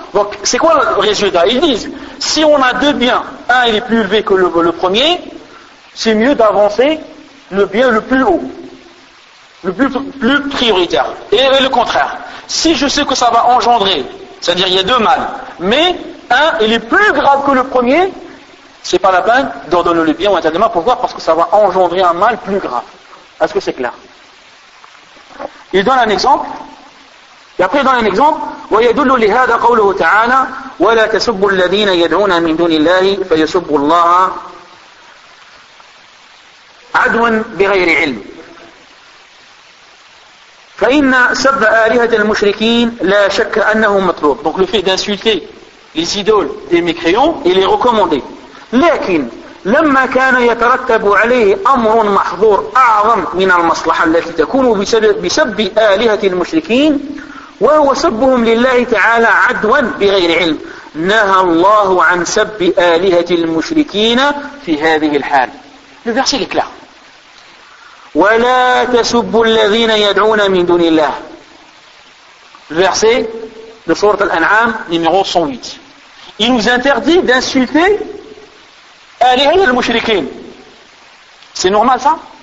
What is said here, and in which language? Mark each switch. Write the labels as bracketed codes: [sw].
[fr] Donc, c'est quoi le résultat? Ils disent, si on a deux biens, un il est plus élevé que le premier, c'est mieux d'avancer le bien le plus haut, le plus prioritaire. Et le contraire. Si je sais que ça va engendrer, c'est-à-dire il y a deux mal, mais un il est plus grave que le premier, c'est pas la peine d'ordonner le bien ou interdire. Pourquoi? Parce que ça va engendrer un mal plus grave. Est-ce que c'est clair? Il donne un exemple. Et après, dans un exemple, [ar] ويدل لهذا قوله تعالى ولا تسبوا الذين يدعون من دون الله فيسبوا الله عدوا بغير علم فإن سب آلهة المشركين لا شك أنه مطلوب. [fr] Donc le fait d'insulter les idoles des mécréants, il est recommandé. [ar] لكن لما كان يترتب عليه أمر محظور أعظم من المصلحة التي تكون بسب آلهة المشركين وهو سبهم لله تعالى عدوا بغير علم نهى الله عن سب آلهة المشركين في هذه الحال. [fr] Le verset est clair. [ar] ولا تسبوا الذين يدعون من دون الله. [fr] Le verset de sourate Al-An'am numéro 108. Il nous interdit d'insulter [ar] آلهة المشركين. [fr] C'est normal ça?